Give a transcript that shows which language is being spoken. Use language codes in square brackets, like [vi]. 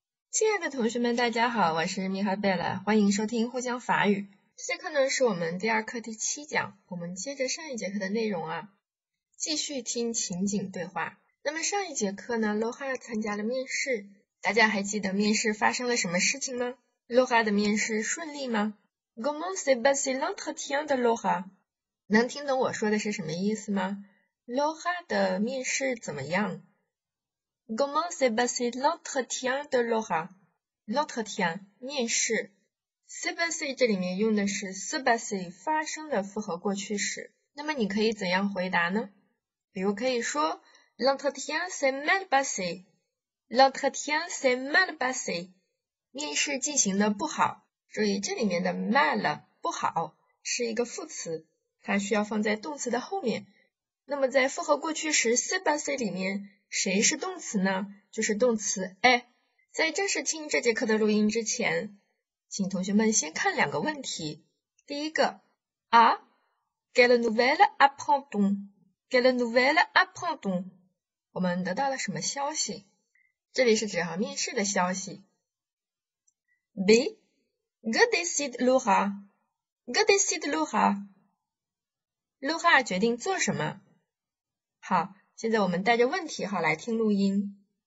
[zh] 亲爱的同学们，大家好，我是米哈贝莱，欢迎收听互相法语。这课呢是我们第二课第七讲，我们接着上一节课的内容啊，继续听情景对话。那么上一节课呢，洛哈参加了面试，大家还记得面试发生了什么事情吗？洛哈的面试顺利吗？ [fr] Comment s'est passé l'entretien de Loha？ [zh] 能听懂我说的是什么意思吗？洛哈的面试怎么样？ [fr] Comment s'est passé l'entretien de Loha? L'entretien, [zh] 面试。 [fr] s'est passé [zh] 这里面用的是 s'est passé 发生的复合过去式。那么你可以怎样回答呢？比如可以说 [fr] L'entretien s'est mal passé. L'entretien s'est mal passé. [zh] 面试进行的不好。注意这里面的 mal, 不好是一个副词，它需要放在动词的后面。那么在复合过去时 s'est passé 里面谁是动词呢？就是动词 est。在正式听这节课的录音之前，请同学们先看两个问题。 [fr] 第一个 ，Ah, quelle nouvelle apprend-on? Quelle nouvelle apprend-on? [zh] 我们得到了什么消息？这里是指哈面试的消息。B, [fr] que décide Laura? Que décide Laura? [zh] Laura 决定做什么？好。现在我们带着问题号来听录音。